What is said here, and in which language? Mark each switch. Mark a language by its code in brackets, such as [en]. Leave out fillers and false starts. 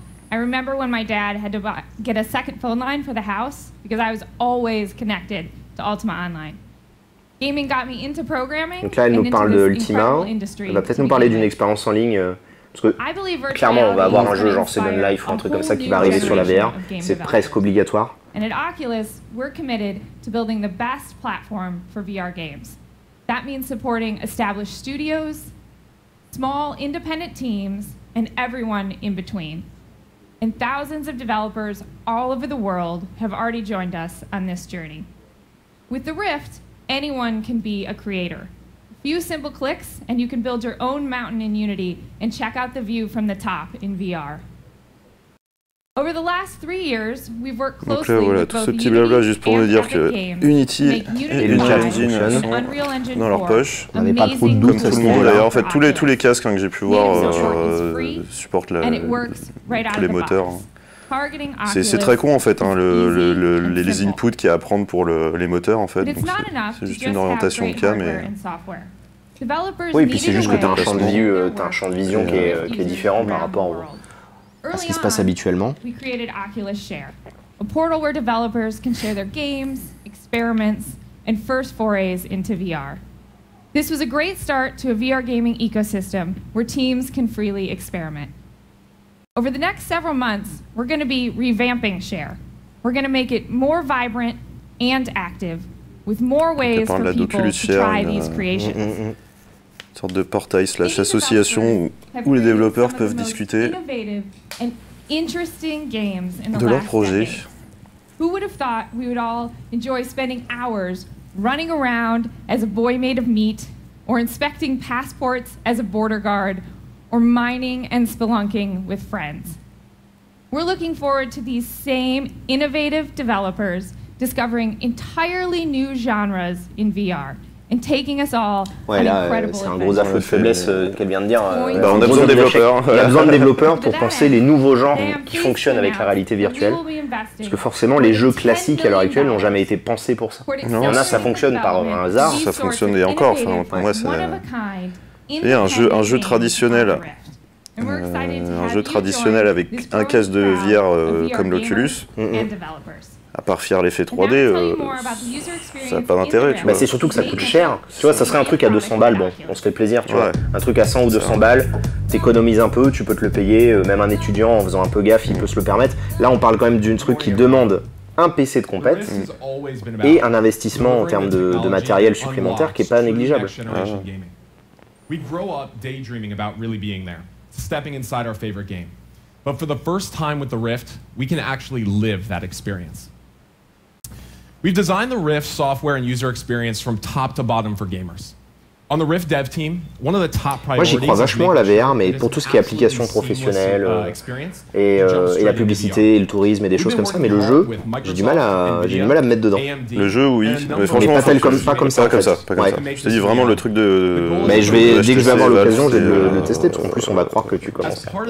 [en] I remember when my dad had to get a second phone line for the house because I was always connected to Ultima Online. Gaming got me into programming. [fr] Donc là, elle nous parle de Ultima. Elle va peut-être nous parler d'une expérience en ligne. Parce que clairement, on va avoir un jeu genre Second Life ou un truc comme ça qui va arriver sur la VR. C'est presque obligatoire. [en] And at Oculus, we're committed to building the best platform for VR games. That means supporting established studios, small independent teams, and everyone in between. And thousands of developers all over the world have already joined us on this journey. With the Rift, anyone can be a creator. A few simple clicks and you can build your own mountain in Unity and check out the view from the top in VR. Over the last 3 years, we've worked closely [fr] là, voilà, [en] with both Unity blabla, [fr] juste pour and dire que Unity et Unreal Engine sont dans leur poche. On n'est pas trop de doute comme tout le monde. En fait, tous les casques que j'ai pu voir supportent tous les moteurs. C'est très con en fait, hein, les inputs qu'il y a à prendre pour les moteurs en fait. Donc c'est juste une orientation de cam. Et... Oui, et puis c'est juste que tu as un champ de vision qui est différent par rapport à ce qui se passe habituellement. [en] We created Oculus Share, a portal where developers can share their games, experiments, and first forays into VR. This was a great start to a VR gaming ecosystem where teams can freely experiment. Over the next several months, we're going to be revamping Share. We're going to make it more vibrant and active with more ways for people to try these creations. [fr] Une sorte de portail slash association où les développeurs peuvent discuter de leurs projets. [en] Who would have thought we would all enjoy spending hours running around as a boy made of meat, or inspecting passports as a border guard, or mining and spelunking with friends? We're looking forward to these same innovative developers discovering entirely new genres in VR and taking us all [fr] c'est un gros aveu de faiblesse qu'elle vient de dire. On a besoin de développeurs. Il y a besoin de développeurs pour penser les nouveaux genres qui fonctionnent avec la réalité virtuelle. Parce que forcément, les jeux classiques à l'heure actuelle n'ont jamais été pensés pour ça. Non. Il y en a, ça fonctionne par un hasard. Ça fonctionne et encore. Enfin, pour moi, c'est... Et un jeu traditionnel. Un jeu traditionnel avec un casque de VR comme l'Oculus. À part faire l'effet 3D, ça n'a pas d'intérêt. Tu vois. C'est surtout que ça coûte cher. Tu vois, ça serait un truc à 200 balles. Bon, on se fait plaisir. Tu vois. Un truc à 100 ou 200 balles, t'économises un peu, tu peux te le payer. Même un étudiant, en faisant un peu gaffe, il peut se le permettre. Là, on parle quand même d'un truc qui demande un PC de compète et un investissement en termes de matériel supplémentaire qui n'est pas négligeable. [en] We grow up daydreaming about really being there, stepping inside our favorite game. But for the first time with the Rift, we can actually live that experience. We've designed the Rift software and user experience from top to bottom for gamers. On the Rift dev team, one of the top priorities... [fr] Moi, j'y crois vachement à la VR, mais pour tout ce qui est applications professionnelles et la publicité, et le tourisme et des choses comme ça, mais le jeu, j'ai du mal à me mettre dedans. Le jeu, oui, mais franchement, pas tel comme pas comme ça. Pas comme ça. Pas comme ça. Je te dis vraiment le truc de. Mais je vais dès que je vais avoir l'occasion, je vais le tester. Parce qu'en plus, on va croire que tu commences.